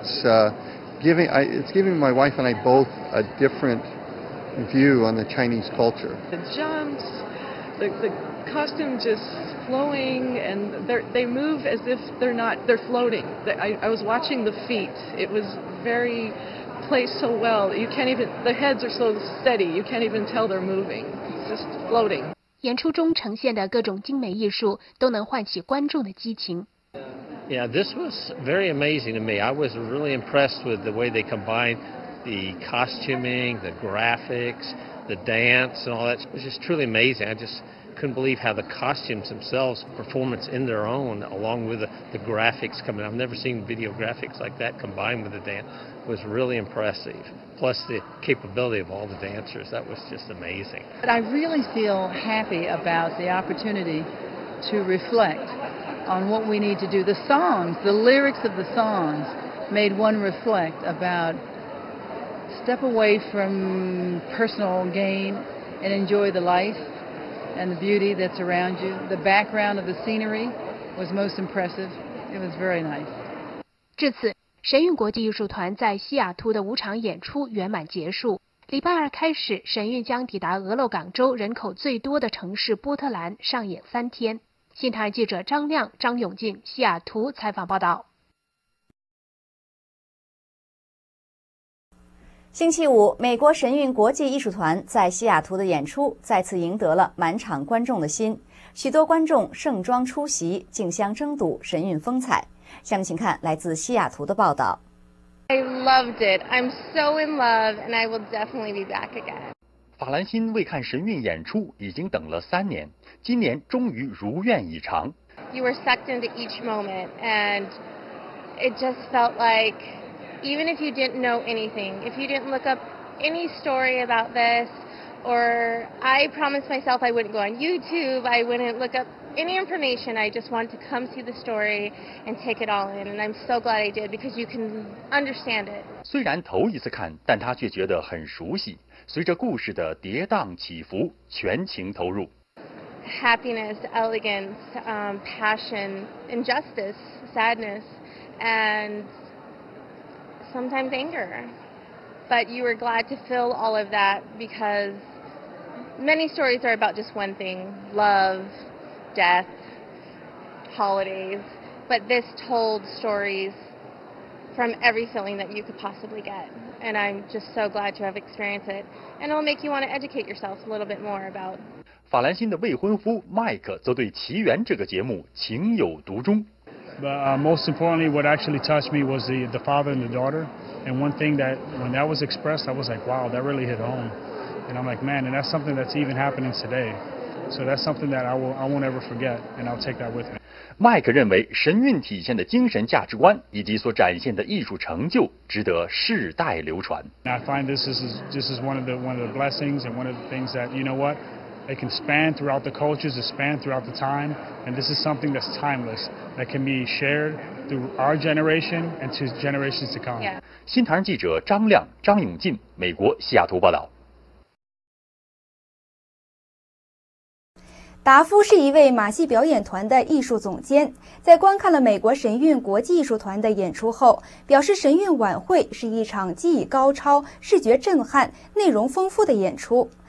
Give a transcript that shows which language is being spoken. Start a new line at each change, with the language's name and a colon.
English: It's giving my wife and I both a different view on the Chinese culture. The jumps, the costume just flowing, and they move as if they're floating. I was watching the feet. It was very placed so well. You can't even, the heads are so steady. You can't even tell they're moving. It's just floating.
Chinese: 演出中呈现的各种精美艺术都能唤起观众的激情。
English: Yeah, this was very amazing to me. I was really impressed with the way they combined the costuming, the graphics, the dance, and all that. It was just truly amazing. I just couldn't believe how the costumes themselves, performance in their own, along with the graphics coming. I've never seen video graphics like that combined with the dance. It was really impressive. Plus the capability of all the dancers. That was just amazing. But I really feel happy about the opportunity to reflect on what we need to do. The songs, the lyrics of the songs made one reflect about step away from personal gain and enjoy the life and the beauty that's around you. The background of the scenery was most impressive. It was very nice.
Chinese: 至此，神韵国际艺术团在西雅图的五场演出圆满结束。礼拜二开始，神韵将抵达俄勒冈州人口最多的城市波特兰上演三天。新台记者张亮、张永进西雅图采访报道。星期五，美国神韵国际艺术团在西雅图的演出再次赢得了满场观众的心，许多观众盛装出席，竞相争睹神韵风采。下面请看来自西雅图的报道。
English: I loved it. I'm so in love, and I will definitely be back again.
Chinese: 法兰辛为看神韵演出已经等了三年。今年终于如愿以偿。
English: You were sucked into each moment, and it just felt like, even if you didn't know anything, if you didn't look up any story about this, or I promised myself I wouldn't go on YouTube, I wouldn't look up any information. I just want to come see the story and take it all in, and I'm so glad I did because you can understand it.
Chinese: 虽然头一次看，但他却觉得很熟悉。随着故事的跌宕起伏，全情投入。
English: Happiness, elegance, passion, injustice, sadness, and sometimes anger. But you were glad to fill all of that because many stories are about just one thing, love, death, holidays. But this told stories from every feeling that you could possibly get. And I'm just so glad to have experienced it. And it'll make you want to educate yourself a little bit more about
Chinese: 法兰辛的未婚夫麦克则对《奇缘》这个节目情有独钟。
English: But most importantly, what actually touched me was the father and the daughter. And one thing that, when that was expressed, I was like, wow, that really hit home. And I'm like, man, and that's something that's even happening today. So that's something that I won't ever forget, and I'll take that with me.
Chinese: 麦克认为，神韵体现的精神价值观以及所展现的艺术成就，值得世代流传。
English: I find this is one of the blessings and one of the things that, you know what? It can span throughout the cultures, it span throughout the time, and this is something that's timeless, that can be shared through our generation and to generations to come. Yeah.
Chinese: 新唐人记者张亮、张永进，美国西雅图报道。达夫是一位马戏表演团的艺术总监，在观看了美国神韵国际艺术团的演出后，表示神韵晚会是一场技艺高超、视觉震撼、内容丰富的演出。